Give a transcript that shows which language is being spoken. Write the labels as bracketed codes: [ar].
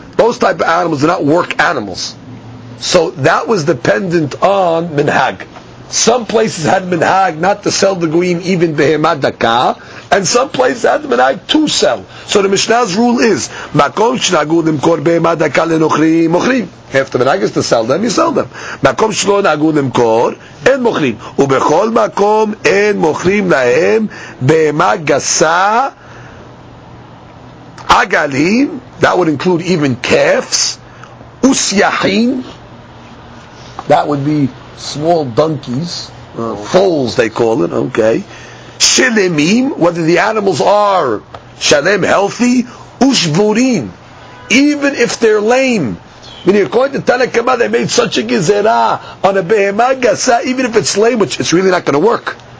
[en] Those type of animals are not work animals. So that was dependent on minhag. Some places had minhag not to sell the goyim even behemah daka, and some places had minhag to sell. So the Mishnah's rule is, [he] makom shenahagu limkor behemah daka lenochrim, mochrim. [en] If the minhag is to sell them, you sell them. [he] Makom shelo nahagu limkor, אין מוכרים, ובכל מקום אין מוכרים להם בהמה גסה עגלים, [en] that would include even calves, [he] וסייחים, [en] that would be small donkeys, foals they call it, okay, שלמים, whether the animals are שלם, healthy, ושבורים, even if they're lame. Meaning, according to Tanna Kamma, they made such a gezerah on a behemah gasa, even if it's lame, which it's really not going to work.